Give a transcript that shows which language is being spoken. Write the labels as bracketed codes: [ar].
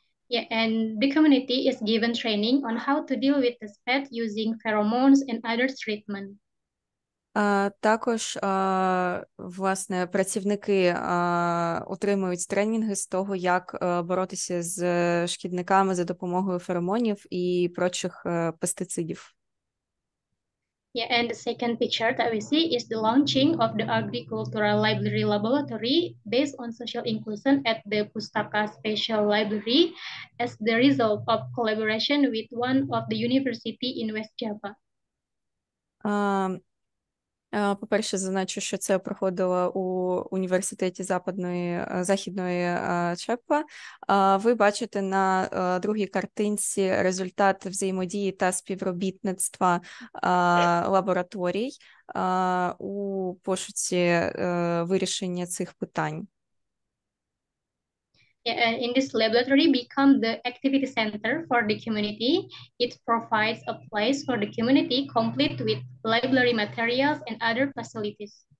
[en] Yeah, and the community is given training on how to deal with the pest using pheromones and other treatment. [uk] Також, власне, працівники отримують тренінги з того, як боротися з шкідниками за допомогою феромонів і прочих пестицидів. [en] Yeah, and the second picture that we see is the launching of the Agricultural Library Laboratory based on social inclusion at the Pustaka Special Library as the result of collaboration with one of the university in West Java. [uk] По-перше, зазначу, що це проходило у університеті західної Чеппа. Ви бачите на другій картинці результат взаємодії та співробітництва лабораторій у пошуці вирішення цих питань. [en] In this laboratory become the activity center for the community. It provides a place for the community complete with library materials and other facilities.